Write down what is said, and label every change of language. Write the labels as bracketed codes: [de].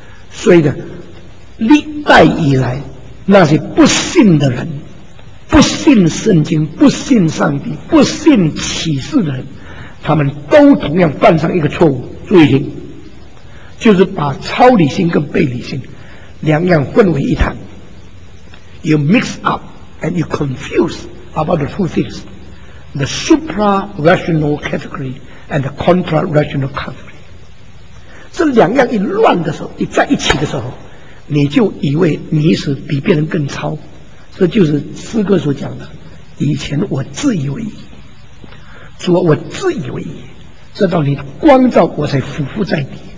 [zh] 所以呢，历代以来那些不信的人，不信圣经，不信上帝，不信启示的人，他们都同样犯上一个错误，注意听，就是把超理性跟背理性两样混为一谈。 [en] You mix up and you confuse about the two things, the supra-rational category and the contra-rational category. [zh] 这两样一乱的时候，一在一起的时候，你就以为你是比别人更超，这就是诗歌所讲的，以前我自以为也，主啊我自以为也，直到你光照我才俯伏在地。